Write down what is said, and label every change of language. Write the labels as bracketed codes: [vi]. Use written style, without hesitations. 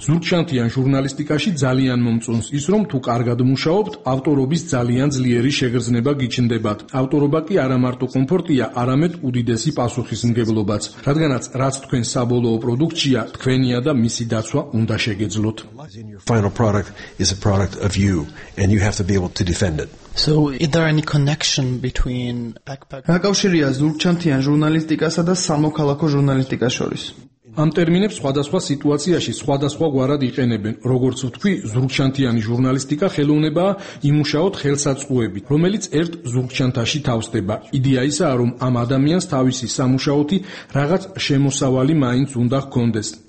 [ka] ზურგჩანთიან ჟურნალისტიკაში ძალიან მომწონს ის, რომ თუ კარგად მუშაობთ, ავტორობის ძალიან ძლიერი შეგრძნება გიჩნდებათ. ავტორობა კი არამარტო კომფორტია, არამედ უდიდესი პასუხისმგებლობაც, რადგანაც რაც თქვენ საბოლოო პროდუქტია, თქვენია და მისი დაცვა უნდა შეგეძლოთ. [en] Final product is a product of you and you have to be able to defend it. So, is there any connection between backpacking? [ka] Ნაკავშირია ზურგჩანთიან ჟურნალისტიკასა და სამოქალაქო ჟურნალისტიკას შორის. ამ ტერმინებს სხვადასხვა სიტუაციაში სხვადასხვა გვარად იყენებენ. როგორც ვთქვი, ზურგჩანთიანი ჟურნალისტიკა ხელოვნებაა იმუშაოთ ხელსაწყოებით, რომელიც ერთ ზურგჩანთაში თავსდება. იდეა ისაა, რომ ამ ადამიანს თავისი სამუშაოთი რაღაც შემოსავალი მაინც უნდა ჰქონდეს.